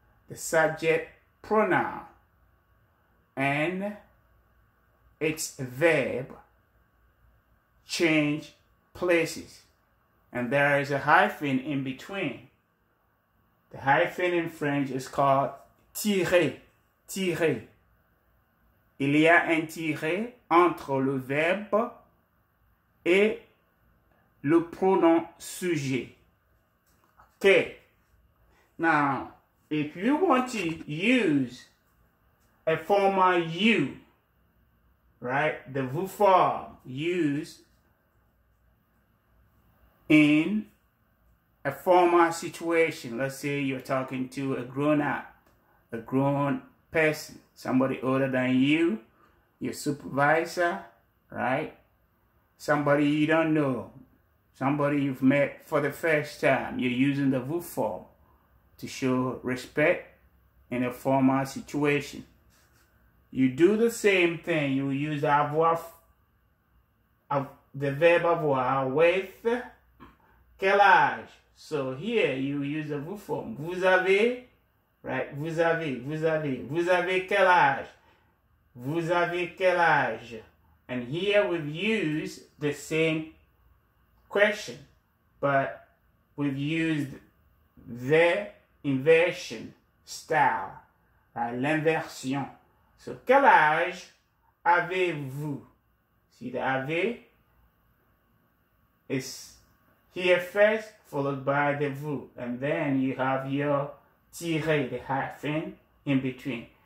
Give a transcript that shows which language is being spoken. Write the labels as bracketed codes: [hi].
[en] The subject pronoun and its verb change places. And there is a hyphen in between. The hyphen in French is called tirer, tirer. [fr] Il y a un tiret entre le verbe et le pronom sujet. [en] Okay. Now, if you want to use a formal you, right, the vous form used in a formal situation, let's say you're talking to a grown up, a grown person, somebody older than you, your supervisor, right? Somebody you don't know, somebody you've met for the first time, you're using the vous form to show respect in a formal situation. You do the same thing, you use the verb avoir with quel âge. So here you use the vous form, vous avez. [fr] Right, vous avez, vous avez, vous avez quel âge? Vous avez quel âge? [en] And here we've used the same question, but we've used the inversion style, right? L'inversion. So, [fr] quel âge avez-vous? [en] See, the avez is here first, followed by the vous, and then you have your tire, the hyphen in between.